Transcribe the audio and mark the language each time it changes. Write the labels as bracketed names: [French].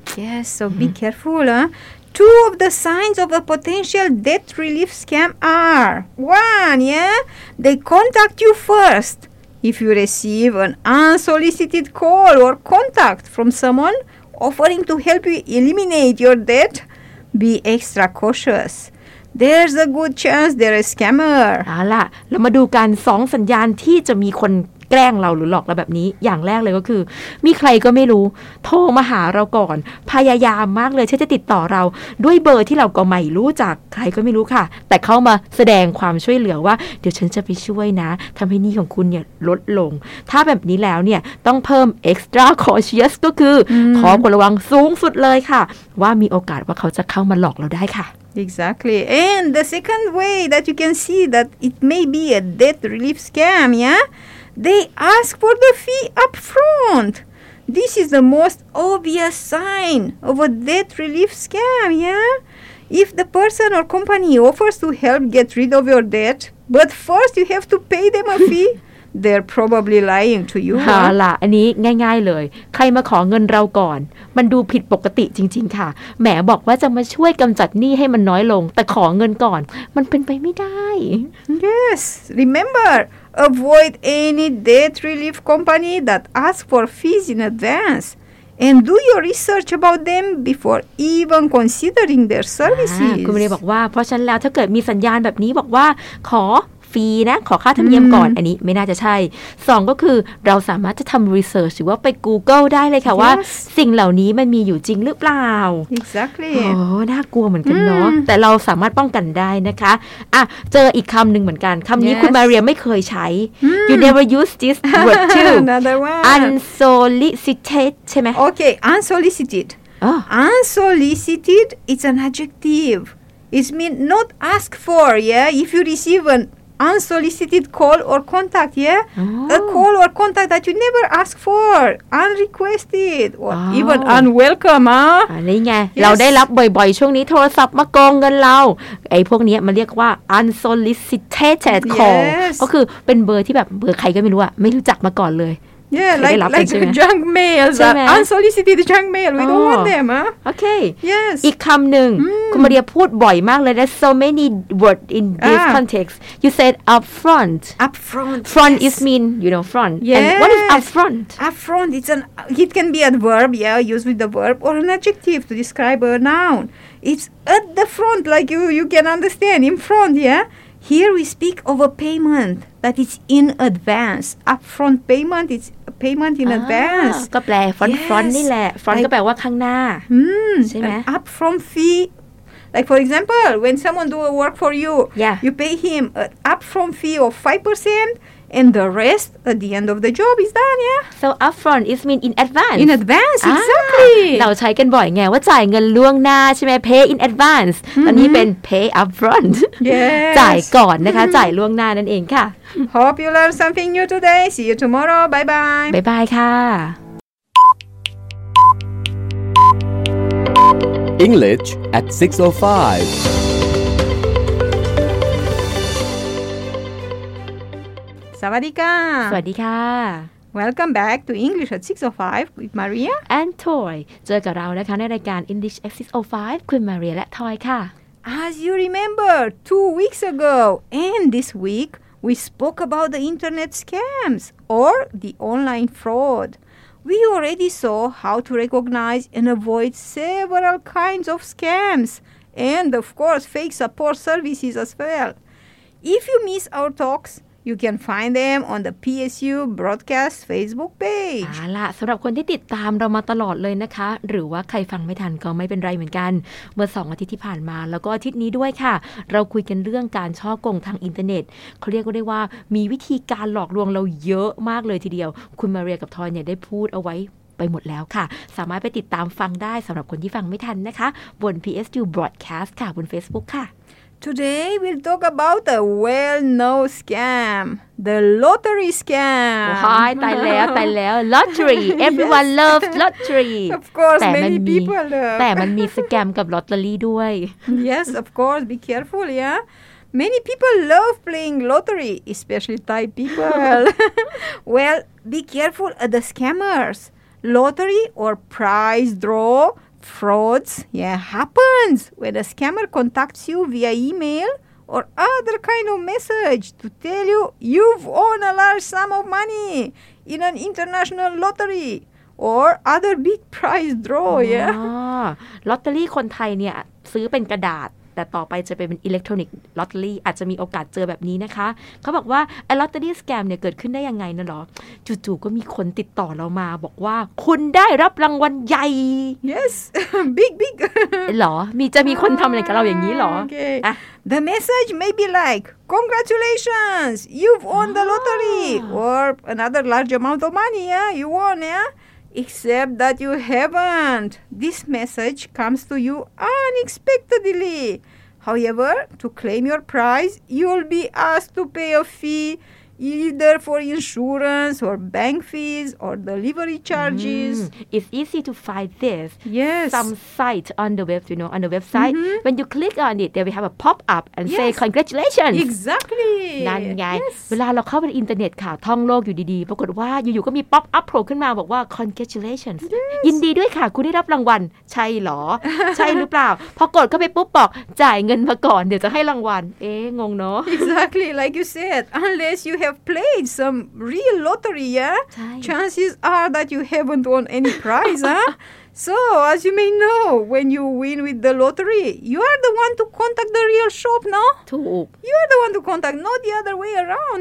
[English] Yes so be carefulTwo of the signs of a potential debt relief scam are, one, they contact you first. If you receive an unsolicited call or contact from someone offering to help you eliminate your debt, be extra cautious. There's a good chance they're a scammer. [Thai] เอาล่ะเรามาดูกันสองสัญญาณที่จะมีคนแกล้งเราหรือหลอกเราแบบนี้อย่างแรกเลยก็คือมีใครก็ไม่รู้โทรมาหาเราก่อนพยายามมากเลยเช่นจะติดต่อเราด้วยเบอร์ที่เราก็ไม่รู้จากใครก็ไม่รู้ค่ะแต่เข้ามาแสดงความช่วยเหลือว่าเดี๋ยวฉันจะไปช่วยนะทำให้หนี้ของคุณเนี่ยลดลงถ้าแบบนี้แล้วเนี่ยต้องเพิ่ม [English] extra cautious [Thai] ก็คือขอความระวังสูงสุดเลยค่ะว่ามีโอกาสว่าเขาจะเข้ามาหลอกเราได้ค่ะ [English] Exactly. And the second way that you can see that it may be a debt relief scam, they ask for the fee up front. This is the most obvious sign of a debt relief scam, If the person or company offers to help get rid of your debt, but first you have to pay them a fee, they're probably lying to you. [Thai] อ่ะล่ะอันนี้ง่ายๆเลยใครมาขอเงินเราก่อนมันดูผิดปกติจริงๆค่ะแหมบอกว่าจะมาช่วยกำจัดหนี้ให้มันน้อยลงแต่ขอเงินก่อนมันเป็นไปไม่ได้ [English] Yes, rememberAvoid any debt relief company that asks for fees in advance and do your research about them before even considering their services. [Thai] คุณเลยบอกว่าเพราะฉะนั้นแล้วถ้าเกิดมีสัญญาณแบบนี้บอกว่าขอฟรีนะขอค่าธรรมเนียมก่อนอันนี้ไม่น่าจะใช่สองก็คือเราสามารถจะทำ research หรือว่าไป Google ได้เลยค่ะ [English] yes. [Thai] ว่าสิ่งเหล่านี้มันมีอยู่จริงหรือเปล่า [English] Exactly. [Thai] โอ้น่ากลัวเหมือนกันเนาะแต่เราสามารถป้องกันได้นะคะอ่ะเจออีกคำหนึ่งเหมือนกันคำนี้ คุณมาเรียมไม่เคยใช้ [English] You never use this word too Another one [Thai] Unsolicited ใช่ไหม [English] Okay, unsolicited Unsolicited is an adjective It means not ask for if you receive anUnsolicited call or contact, A call or contact that you never ask for, unrequested, or even unwelcome, [Thai] นี่ไง เราได้รับบ่อยๆช่วงนี้โทรศัพท์มาโกงเงินเราไอ้พวกนี้มันเรียกว่า unsolicited call ก็ คือเป็นเบอร์ที่แบบเบอร์ใครก็ไม่รู้อะไม่รู้จักมาก่อนเลย [English] like junk mail unsolicited junk mail we don't want them okay yes [Thai] อีกคำหนึ่งคุณมาเรียพูดบ่อยมากเลย [English] there's so many word in this context you said up front yes. is mean you know front yes. and what is up front it can be a verb used with the verb or an adjective to describe a noun it's at the front like you can understand in front Here we speak of a payment that is in advance. Upfront payment is payment in advance. [Thai] ก็แปล front นี่แหละ front ก็แปลว่าข้างหน้าใช่ไหม [English] Upfront fee, like for example, when someone do a work for you, you pay him an upfront fee of 5%, and the rest at the end of the job is done, So upfront is mean in advance. In advance, exactly. [Thai] เราใช้กันบ่อยไงว่าจ่ายเงินล่วงหน้าใช่ไหม [English] Pay in advance. [Thai] ตอนนี้เป็น [English] pay upfront. Yes. [Thai] จ่ายก่อนนะคะจ่ายล่วงหน้านั่นเองค่ะ [English] Hope you learned something new today. See you tomorrow. Bye-bye. Bye-bye ค่ะ English at 6:05. [Thai] สวัสดีค่ะ สวัสดีค่ะ [English] Welcome back to English at 6:05 with Maria [Thai] and Toy เจอกับเรานะคะในรายการ English at 6:05 คุณ Maria และ Toy ค่ะ [English] As you remember 2 weeks ago and this week We spoke about the internet scams or the online fraud. We already saw how to recognize and avoid several kinds of scams and, of course, fake support services as well. If you miss our talks, you can find them on the PSU Broadcast Facebook page. [Thai] อ่าล่ะสำหรับคนที่ติดตามเรามาตลอดเลยนะคะหรือว่าใครฟังไม่ทันก็ไม่เป็นไรเหมือนกันเมื่อ2อาทิตย์ที่ผ่านมาแล้วก็อาทิตย์นี้ด้วยค่ะเราคุยกันเรื่องการฉ้อกงทางอินเทอร์เน็ตเขาเรียกได้ว่ามีวิธีการหลอกลวงเราเยอะมากเลยทีเดียวคุณมาเรียกับทอยเนี่ยได้พูดเอาไว้ไปหมดแล้วค่ะสามารถไปติดตามฟังได้สำหรับคนที่ฟังไม่ทันนะคะบน PSU Broadcast ค่ะบน Facebook ค่ะ [English] Today we'll talk about a well-known scam the lottery scam [Thai] โอ้ยตายแล้วตายแล้ว [English] lottery everyone yes. loves lottery of course many people love [Thai] แต่มันมีสแกมกับลอตเตอรี่ด้วย [English] yes of course be careful yeah many people love playing lottery especially Thai people well be careful of the scammersLottery or prize draw frauds happens when a scammer contacts you via email or other kind of message to tell you you've won a large sum of money in an international lottery or other big prize draw [Thai] ลอตเตอรี่คนไทยเนี่ยซื้อเป็นกระดาษแต่ต่อไปจะเป็นอิเล็กทรอนิกส์ลอตเตอรี่อาจจะมีโอกาสเจอแบบนี้นะคะเขาบอกว่าไอ้ลอตเตอรี่สแกมเนี่ยเกิดขึ้นได้ยังไงนะหรอจู่ๆก็มีคนติดต่อเรามาบอกว่าคุณได้รับรางวัลใหญ่ [English] yes big [Thai] หรอมีจะมีคนทำอะไรกับเราอย่างนี้หรอ [English] the message may be like congratulations you've won the lottery or another large amount of money you won except that you haven't. This message comes to you unexpectedly. However, to claim your prize, you'll be asked to pay a fee either for insurance or bank fees or delivery charges. It's easy to find this. Yes. Some site on the web, you know, on the website. Mm-hmm. When you click on it, they will have a pop-up and say congratulations. Exactly. [Thai] นั่นไงเวลาเราเข้าไปอินเทอร์เน็ตค่ะท่องโลกอยู่ดีๆปรากฏว่าอยู่ๆก็มี pop-up โผล่ขึ้นมาบอกว่า congratulations. ยินดีด้วยค่ะคุณได้รับรางวัลใช่หรอ ใช่หรือเปล่าพอกดเข้าไปปุ๊บบอกจ่ายเงินมาก่อนเดี๋ยวจะให้รางวัลเอ๊ะงงเนาะ [English] Exactly like you said unless youhave played some real lottery, chances are that you haven't won any prize, So, as you may know, when you win with the lottery, you are the one to contact the real shop, no? [Thai] ถูก [English] You are the one to contact, not the other way around,